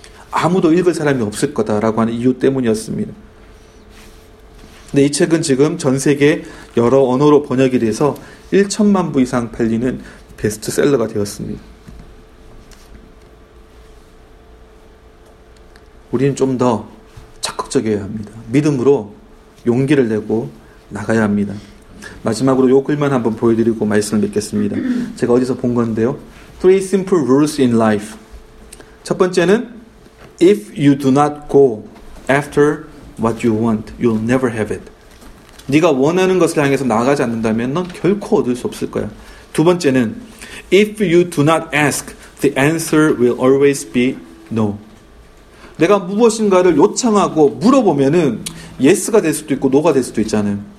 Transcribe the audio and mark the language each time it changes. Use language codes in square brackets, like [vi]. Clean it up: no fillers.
[ko] 아무도 읽을 사람이 없을 거다라고 하는 이유 때문이었습니다. 근데 이 책은 지금 전 세계 여러 언어로 번역이 돼서 1천만 부 이상 팔리는 베스트셀러가 되었습니다. 우리는 좀 더 적극적이어야 합니다. 믿음으로 용기를 내고 나가야 합니다. 마지막으로 요 글만 한번 보여드리고 말씀을 맺겠습니다. 제가 어디서 본 건데요. [en] Three simple rules in life. [ko] 첫 번째는 [en] If you do not go after what you want, you'll never have it. [ko] 네가 원하는 것을 향해서 나가지 않는다면 넌 결코 얻을 수 없을 거야. 두 번째는 [en] If you do not ask, the answer will always be no. [ko] 내가 무엇인가를 요청하고 물어보면은 yes가 될 수도 있고 no가 될 수도 있잖아요.